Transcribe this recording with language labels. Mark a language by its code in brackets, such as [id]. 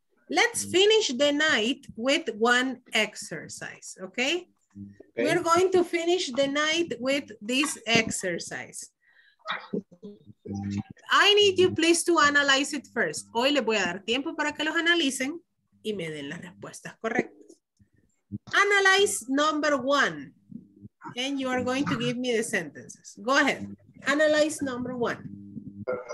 [en] Let's finish the night with one exercise, okay? We're going to finish the night with this exercise. I need you please to analyze it first. [es] Hoy les voy a dar tiempo para que los analicen y me den las respuestas correctas. [en] Analyze number one, and you are going to give me the sentences. Go ahead. Analyze number one.